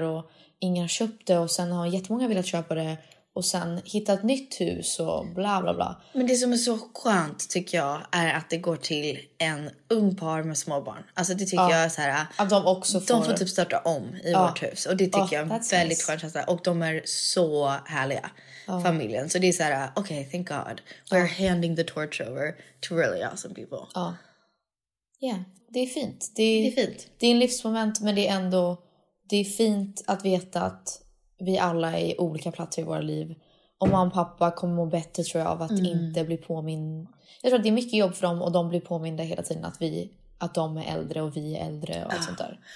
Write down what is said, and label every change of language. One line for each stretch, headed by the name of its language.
Swedish: Och ingen har köpt det och sen har jättemånga velat köpa det. Och sen hitta ett nytt hus och bla bla bla. Men det som är så skönt tycker jag är att det går till en ung par med småbarn. Alltså det tycker jag är så här. Att de också får... De får typ starta om i vårt hus. Och det tycker jag är väldigt skönt. Och de är så härliga. Familjen. Så det är så här, okej,
English: thank God. We're handing the torch over to really awesome people.
Swedish: Ja. Yeah, det är fint. Det är fint. Det är en livsmoment, men det är ändå... Det är fint att veta att vi alla är i olika platser i våra liv. Och mamma och pappa kommer må bättre, tror jag, av att inte bli påminn... Jag tror att det är mycket jobb för dem, och de blir påminna hela tiden att de är äldre och vi är äldre och allt sånt där.